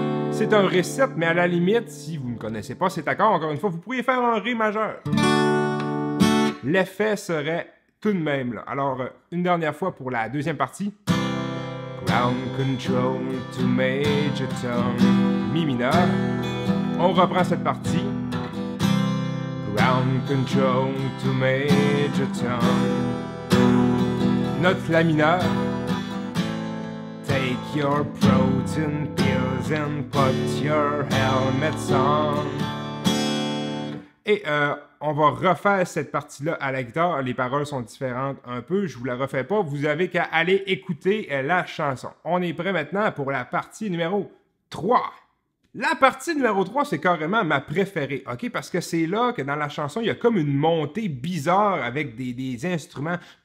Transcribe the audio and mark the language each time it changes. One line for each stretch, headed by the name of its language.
French: C'est un Ré 7, mais à la limite, si vous ne connaissez pas cet accord, encore une fois, vous pourriez faire un Ré majeur. L'effet serait tout de même là. Alors, une dernière fois pour la deuxième partie.
English: Ground control to major tone,
French: mi mineur. On reprend cette partie.
English: Ground control to major tone.
French: Note la mineur.
English: Take your protein pills and put your helmet on.
French: Et on va refaire cette partie-là à la guitare. Les paroles sont différentes un peu. Je vous la refais pas. Vous avez qu'à aller écouter la chanson. On est prêt maintenant pour la partie numéro 3. La partie numéro 3, c'est carrément ma préférée, OK? Parce que c'est là que dans la chanson, il y a comme une montée bizarre avec des instruments.